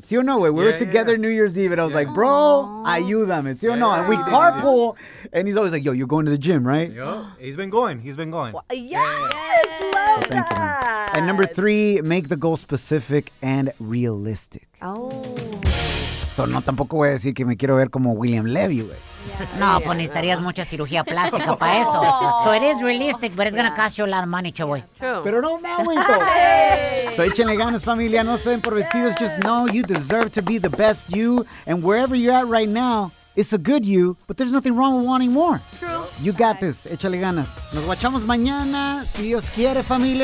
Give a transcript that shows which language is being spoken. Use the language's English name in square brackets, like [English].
[English] See or no way. We were together New Year's Eve. And I was like, bro, [Spanish] ayúdame. [English] See or no. And we carpool. And he's always like, yo, you're going to the gym, right? Yeah. He's been going. Yes. Love that. So and number three, make the goal specific and realistic. Oh. [Spanish] No, tampoco voy a decir que me quiero ver como William Levy, güey. No, pues necesitarías mucha cirugía plástica para eso. [English] So it is realistic, but it's going to cost you a lot of money, chavo. True. [Spanish] Pero no, me aguento. So échenle ganas, familia. No se den por vestidos. [English] Just know you deserve to be the best you. And wherever you're at right now, it's a good you, but there's nothing wrong with wanting more. True. You got this. [Spanish] Échale ganas. Nos guachamos mañana. Si Dios quiere, familia.